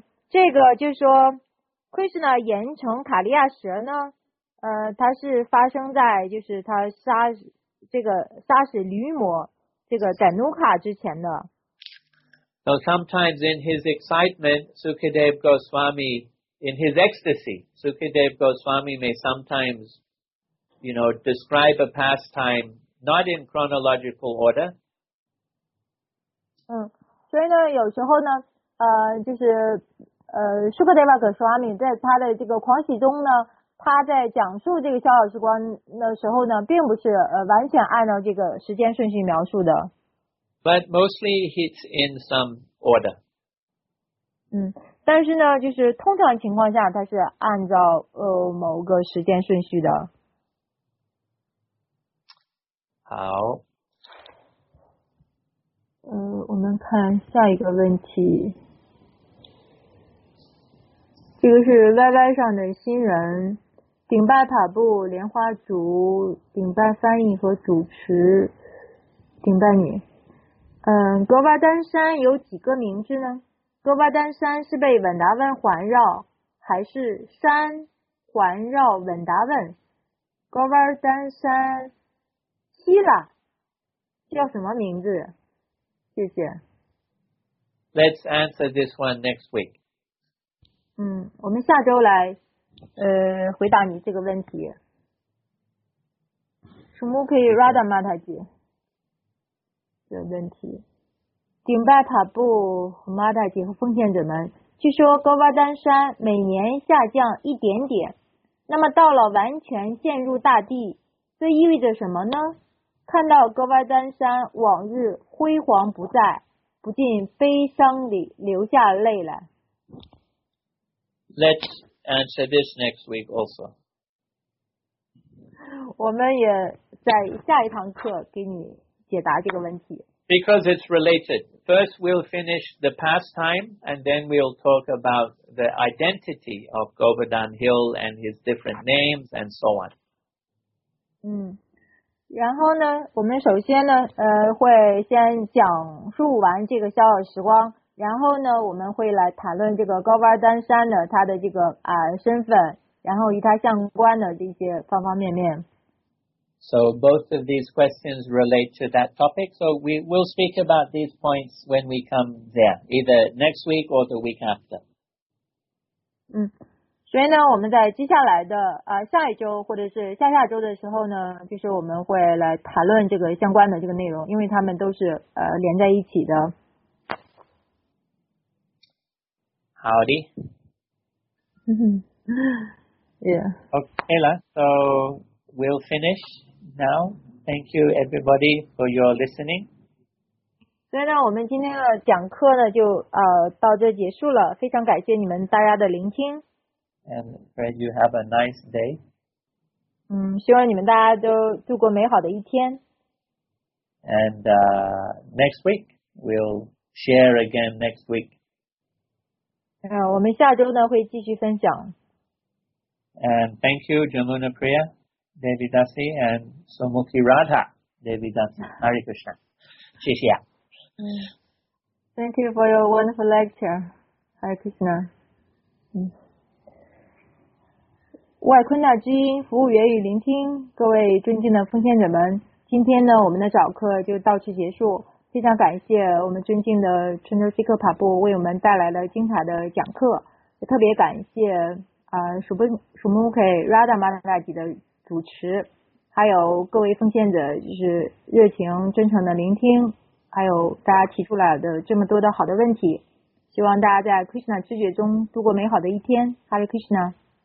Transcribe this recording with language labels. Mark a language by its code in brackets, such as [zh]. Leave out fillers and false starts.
[zh] 这个就是说 Krishna 严惩卡利亚蛇呢。它是发生在就是他杀这个杀死驴魔这个在努卡之前的。 [en] So sometimes in his excitement, Sukadev Goswami, in his ecstasy, Sukadev Goswami may sometimes, you know, describe a pastime not in chronological order. [zh] 嗯，所以呢，有时候呢，就是Sukadeva Goswami 在他的这个狂喜中呢，他在讲述这个逍遥时光的时候呢，并不是完全按照这个时间顺序描述的。 [en] But mostly it's in some order. [zh] 嗯，但是呢，就是通常情况下，它是按照某个时间顺序的。好。我们看下一个问题。这个是 YY 上的新人，顶拜塔布、莲花竹、顶拜翻译和主持，顶拜你。嗯，格巴丹山有几个名字呢？格巴丹山是被稳达问环绕，还是山环绕稳达问？格巴丹山希腊叫什么名字？谢谢。 [en] Let's answer this one next week. [zh] 嗯，我们下周来回答你这个问题。什么可以 Radha Mataji 的问题？顶拜塔布和马大姐和奉献者们，据说高巴丹山每年下降一点点，那么到了完全陷入大地，这意味着什么呢？看到高巴丹山往日辉煌不在，不禁悲伤里流下泪来。 [en] Let's answer this next week also. [zh] 我们也在下一堂课给你解答这个问题。 [en] Because it's related. First, we'll finish the pastime, and then we'll talk about the identity of Govardhan Hill and his different names and so on. [zh] 嗯，然后呢，我们首先呢，会先讲述完这个逍遥时光，然后呢，我们会来谈论这个高巴丹山的他的这个身份，然后与他相关的这些方方面面。 [en] So both of these questions relate to that topic. So we will speak about these points when we come there, either next week or the week after. [zh] 嗯，所以呢，我们在接下来的下一周或者是下下周的时候呢，就是我们会来谈论这个相关的这个内容，因为他们都是连在一起的。好的。嗯，Yeah. [en] Okay, la. So we'll finish. Now, thank you everybody for your listening. [zh] 所以呢，我们今天的讲课呢就到这结束了，非常感谢你们大家的聆听。 [en] And pray you have a nice day. [zh] 嗯，希望你们大家都度过美好的一天。 [en] And next week we'll share again next week. [zh] 我们下周呢会继续分享。 [en] And thank you, Jamuna Priya. Devi Dasi and Somukhi Radha Devi Dasi Hare Krishna. [zh] 谢谢 [en] Thank you for your wonderful lecture. Hare Krishna. [zh] 外昆纳之音服务源于聆听，各位尊敬的奉献者们，今天呢我们的早课就到此结束，非常感谢我们尊敬的春秋西克帕布为我们带来了精彩的讲课，也特别感谢Somukhi Radha Mataji 的主持，还有各位奉献者，就是热情真诚的聆听，还有大家提出来的这么多的好的问题，希望大家在 Krishna 知觉中度过美好的一天。 Hare Krishna